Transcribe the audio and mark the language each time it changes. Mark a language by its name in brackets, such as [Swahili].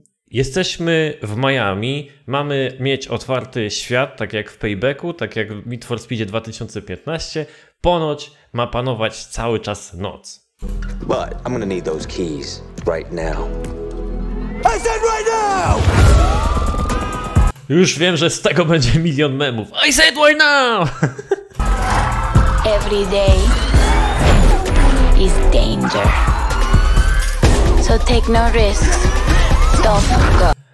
[Polish] Jesteśmy w Miami, mamy mieć otwarty świat, tak jak w Paybacku, tak jak w Need for Speedzie 2015. Ponoć ma panować cały czas noc. [English] But I'm gonna need those keys right now. I said right now! [Polish] Już wiem, że z tego będzie milion memów. [English] I said why now? Every day is danger. So take no risks. Don't go.